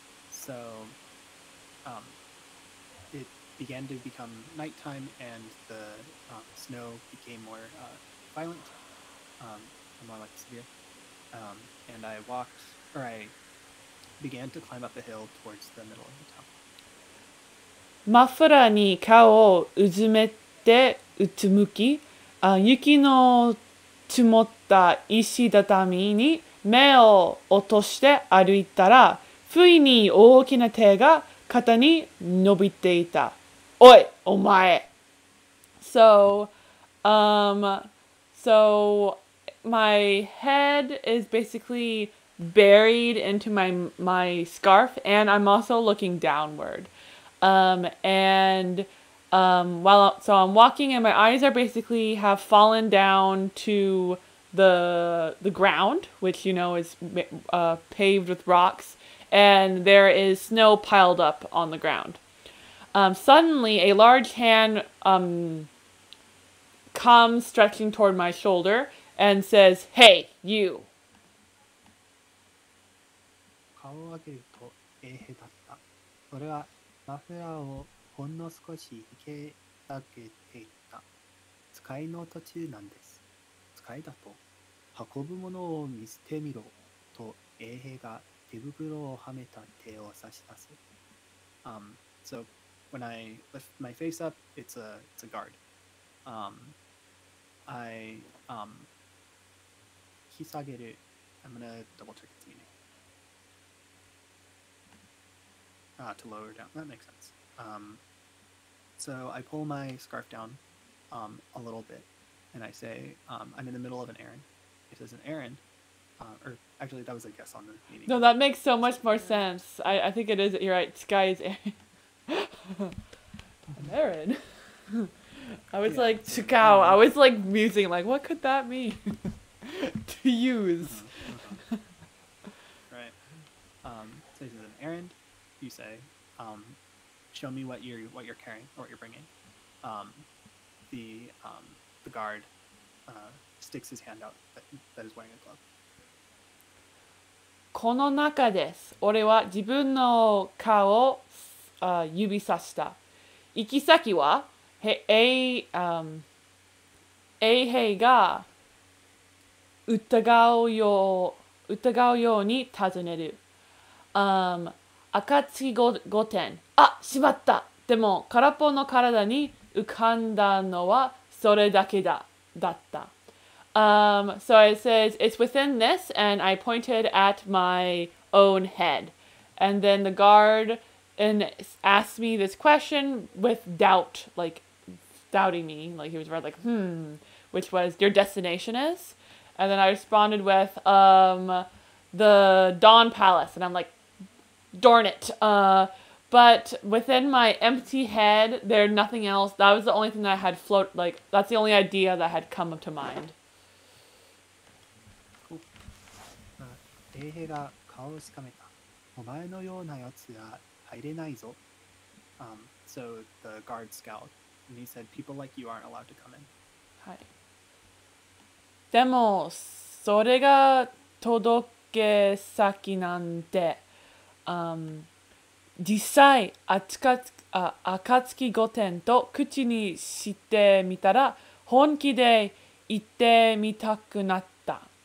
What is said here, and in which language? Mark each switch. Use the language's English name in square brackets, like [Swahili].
[English] So it began to become nighttime and the snow became more violent. More like severe. And I walked, or I began to climb up a hill towards the middle of the town. [Japanese] マフラーに顔をうずめてうつむき、雪の積もった石畳に目を落として歩いたら、不意に大きな手が肩に伸びていた。おい、お前。 [English] So, my head is basically buried into my scarf, and I'm also looking downward. So I'm walking, and my eyes are basically have fallen down to the ground, which, you know, is paved with rocks, and there is snow piled up on the ground. Suddenly, a large hand comes stretching toward my shoulder, and says, "Hey, you." [Japanese] 顔を上げると衛兵だった。俺はマフラーをほんの少し引き上げていた。使いの途中なんです。使いだと運ぶものを見せてみろと衛兵が手袋をはめた手を差し出す。 [English] So when I lift my face up, it's a guard. I'm gonna double check its meaning. To lower down. That makes sense. So I pull my scarf down a little bit, and I say, I'm in the middle of an errand. It is an errand. Or actually, that was a guess on the meaning. No, that makes so much more sense. I think it is. You're right. Sky is errand. An errand? I was like, chikao. I was like musing, like, what could that mean? To use. So this is an errand. You say, show me what you're carrying or what you're bringing. The guard sticks his hand out that is wearing a glove. [Japanese] この中です。俺は自分の顔を指さした。行き先は、衛兵が疑うように尋ねる。暁御殿。あ、しまった。でも空っぽの体に浮かんだのはそれだけだ。だった。 [English] So it says, it's within this, and I pointed at my own head. And then the guard asked me this question with doubt, like doubting me. Like he was rather like, which was, your destination is? And then I responded with, the Dawn Palace. And I'm like, darn it. But within my empty head, there nothing else. That was the only thing that had float, like, that's the only idea that had come up to mind. [Japanese] 衛兵が顔をしかめた。お前のようなやつは入れないぞ。 [English] So the guard scowled, and he said, people like you aren't allowed to come in. [Japanese] はい。でも、それが届け先なんて、実際、暁御殿と口にしてみたら、本気で言ってみたくなった。